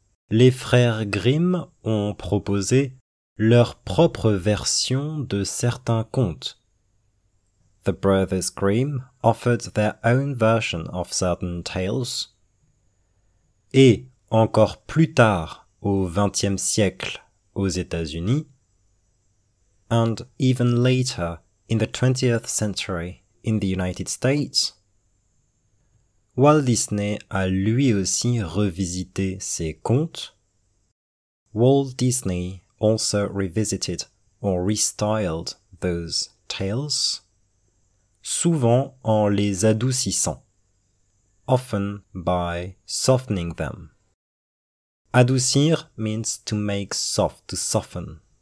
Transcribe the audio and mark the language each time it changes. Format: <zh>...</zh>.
<fr>les frères Grimm ont proposé leur propre version de certains contes.</fr> <en>The brothers Grimm offered their own version of certain tales.</en> <fr>Et encore plus tard, au XXe siècle, aux États-Unis,</fr> <en>and even later, in the 20th century, in the United States,</en> <fr>Walt Disney a lui aussi revisité ses contes.</fr> <en>Walt Disney also revisited or restyled those tales,</en> <fr>souvent en les adoucissant,</fr> <en>often by softening them. Adoucir means to make soft, to soften.</en>